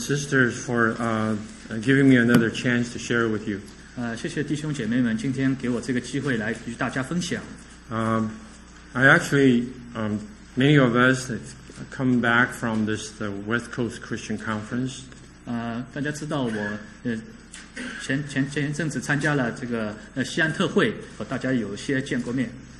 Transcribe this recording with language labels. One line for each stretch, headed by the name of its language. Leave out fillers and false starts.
English: sisters for giving me another chance to share with you.
Chinese: 谢谢弟兄姐妹们今天给我这个机会来与大家分享。
English: I actually, many of us come back from this the West Coast Christian Conference.
Chinese: 大家知道我前一阵子参加了这个西安特会，和大家有些见过面。